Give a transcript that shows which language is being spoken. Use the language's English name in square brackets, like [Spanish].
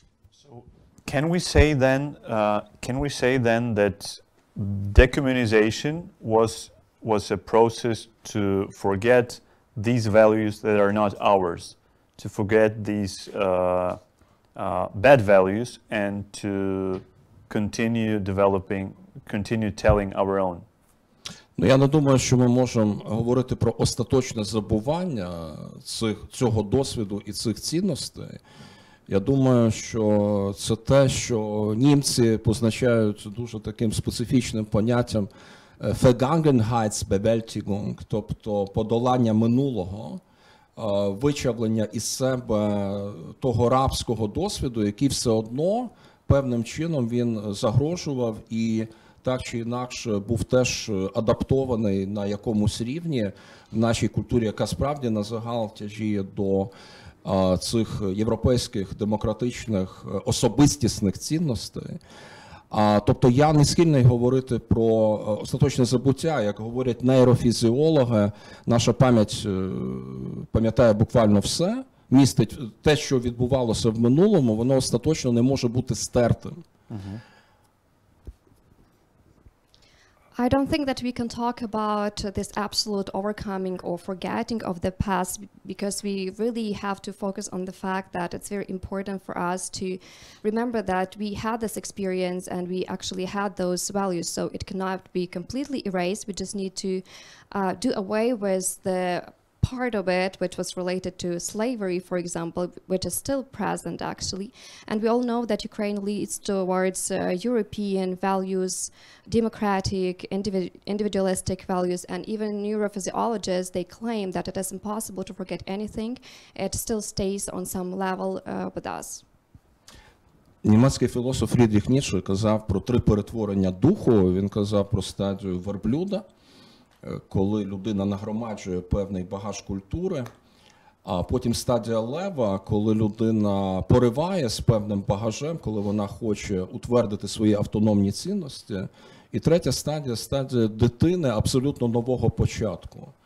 [English] So can we say then that decommunization was a process to forget these values that are not ours, to forget these bad values and to continue developing, continue telling our own? [Ukrainian] Ну, я не думаю, що ми можемо говорити про остаточне забування цього досвіду і цих цінностей. Я думаю, що це те, що німці позначають дуже таким специфічним поняттям Vergangenheitsbewältigung, тобто подолання минулого, вичавлення із себе того рабського досвіду, який все одно певним чином він загрожував і так чи інакше був теж адаптований на якомусь рівні в нашій культурі, яка справді на загал тяжіє до цих європейських демократичних особистісних цінностей. Тобто я не схильний говорити про остаточне забуття, як говорять нейрофізіологи, наша пам'ять пам'ятає буквально все, містить те, що відбувалося в минулому, воно остаточно не може бути стертим. [English] I don't think that we can talk about this absolute overcoming or forgetting of the past, because we really have to focus on the fact that it's very important for us to remember that we had this experience and we actually had those values, so it cannot be completely erased. We just need to do away with the part of it which was related to slavery, for example, which is still present actually. And we all know that Ukraine leads towards European values, democratic, individualistic values, and even neurophysiologists, they claim that it is impossible to forget anything. It still stays on some level with us. [Ukrainian] Німецький філософ Фрідріх Ніцше казав про три перетворення духу. Він казав про стадію верблюда, коли людина нагромаджує певний багаж культури, а потім стадія лева, коли людина пориває з певним багажем, коли вона хоче утвердити свої автономні цінності, і третя стадія – стадія дитини абсолютно нового початку.